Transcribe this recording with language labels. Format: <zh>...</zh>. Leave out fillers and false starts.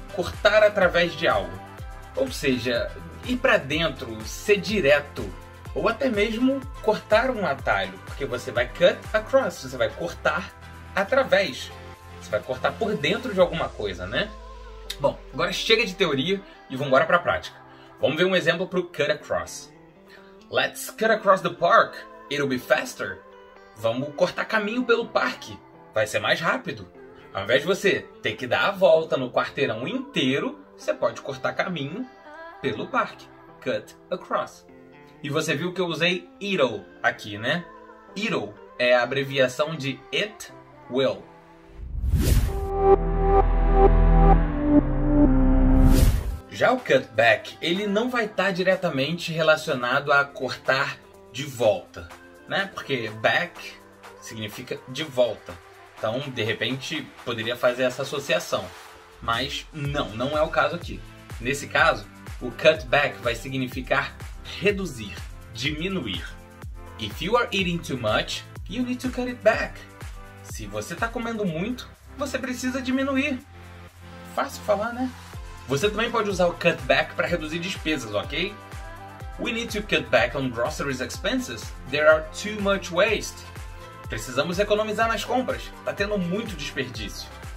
<pt>Cortar através de algo. Ou seja, ir pra dentro, ser direto. Ou até mesmo cortar um atalho. Porque você vai</pt> <en>cut across,</en> <pt>você vai cortar através. Você vai cortar por dentro de alguma coisa, né? Bom, agora chega de teoria e vamos embora pra prática. Vamos ver um exemplo pro</pt> <en>cut across. Let's cut across the park, it'll be faster.</en> <pt>Vamos cortar caminho pelo parque. Vai ser mais rápido. Ao invés de você ter que dar a volta no quarteirão inteiro, você pode cortar caminho pelo parque.</pt> <en>Cut across.</en> <pt>E você viu que eu usei it'll aqui, né? It'll é a abreviação de</pt> <en>it will.</en> <pt>Já o cut back, ele não vai estar diretamente relacionado a cortar de volta, né? Porque back significa de volta. Então, de repente, poderia fazer essa associação. Mas não, não é o caso aqui. Nesse caso, o cutback vai significar reduzir, diminuir.</pt> <en>If you are eating too much, you need to cut it back.</en> <pt>Se você está comendo muito, você precisa diminuir. Fácil falar, né? Você também pode usar o cutback para reduzir despesas, ok?</pt> <en>We need to cut back on groceries expenses. There are too much waste.</en> <pt>Precisamos economizar nas compras. Tá tendo muito desperdício.</pt>